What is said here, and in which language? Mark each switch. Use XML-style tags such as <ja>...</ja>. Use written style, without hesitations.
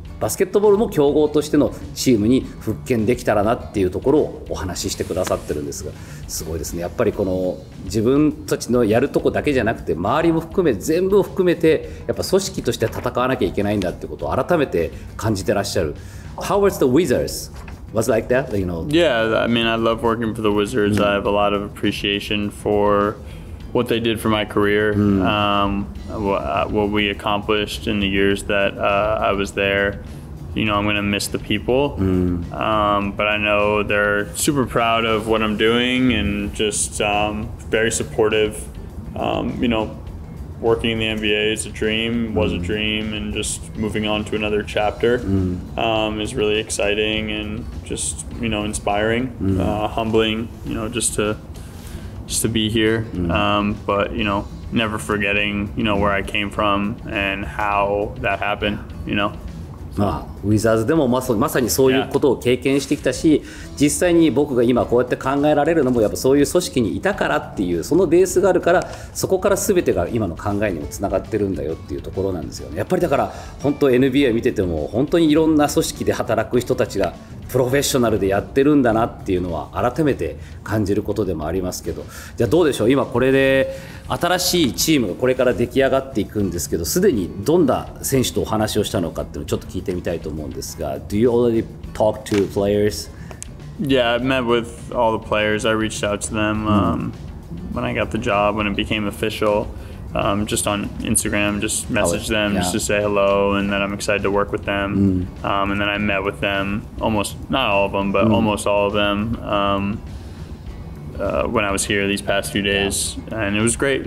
<ja>バスケットボールも競合としてのチームに復権できたらなっていうところをお話ししてくださってるんですが、すごいですね。やっぱりこの自分たちのやるとこだけじゃなくて、周りも含め全部を含めてやっぱ組織として戦わなきゃいけないんだってことを改めて感じてらっしゃる。</ja> <en>How was the Wizards? Was it like that, you know? Yeah, I mean, I love working for the Wizards. Mm. I have a lot of appreciation for what they did for my career, what we accomplished in the years that I was there. You know, I'm going to miss the people, but I know they're super proud of what I'm doing and just very supportive. You know, working in the NBA is a dream, was a dream, and just moving on to another chapter is really exciting and just, you know, inspiring, humbling, you know, just to be here. But, you know, never forgetting, you know, where I came from and how that happened, you know.</en> <ja>ウィザーズでもまさにそういうことを経験してきたし、実際に僕が今こうやって考えられるのもやっぱそういう組織にいたからっていう、そのベースがあるから、そこから全てが今の考えにもつながってるんだよっていうところなんですよね。やっぱりだから本当 NBA 見てても本当にいろんな組織で働く人たちがプロフェッショナルでやってるんだなっていうのは改めて感じることでもありますけど、じゃあどうでしょう、今これで新しいチームがこれから出来上がっていくんですけど、すでにどんな選手とお話をしたのかっていうのをちょっと聞いてみたいと思うんですが、</ja> <en>Do you already talk to players? Yeah, I've met with all the players. I reached out to them when I got the job, when it became official, just on Instagram, just messaged them just to say hello and that I'm excited to work with them. And then I met with them, almost, not all of them, but almost all of them, when I was here these past few days. And it was great.</en>